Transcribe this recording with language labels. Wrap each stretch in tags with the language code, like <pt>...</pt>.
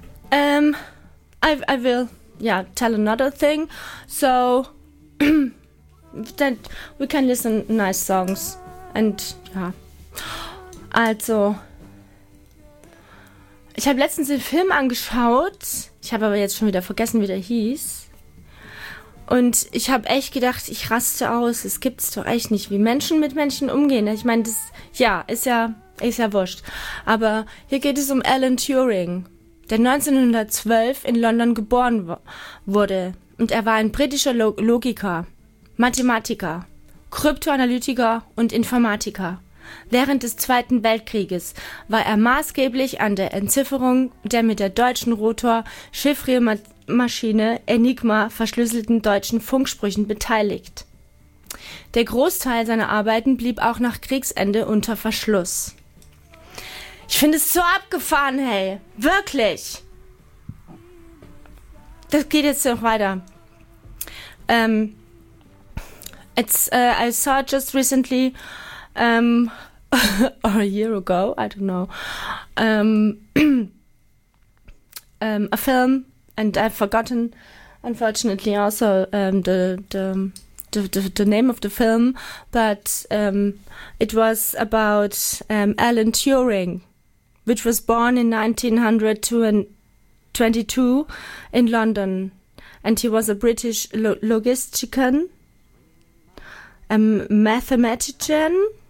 <en>I will, yeah, tell another thing. So, that we can listen nice songs. And, ja.</en> <de>Also, ich habe letztens den Film angeschaut. Ich habe aber jetzt schon wieder vergessen, wie der hieß. Und ich habe echt gedacht, ich raste aus. Es gibt's doch echt nicht, wie Menschen mit Menschen umgehen. Ich meine, das ja, ist ja wurscht. Aber hier geht es um Alan Turing, der 1912 in London geboren wurde. Und er war ein britischer Logiker, Mathematiker, Kryptoanalytiker und Informatiker. Während des Zweiten Weltkrieges war er maßgeblich an der Entzifferung der mit der deutschen Rotor-Chiffriermaschine Enigma verschlüsselten deutschen Funksprüchen beteiligt. Der Großteil seiner Arbeiten blieb auch nach Kriegsende unter Verschluss. Ich finde es so abgefahren, hey! Wirklich! Das geht jetzt noch weiter.</de> <en>I saw just recently or a year ago, I don't know, a film, and I've forgotten, unfortunately, also the name of the film, but it was about Alan Turing, which was born in 1922 in London, and he was a British logistician, a mathematician.</en>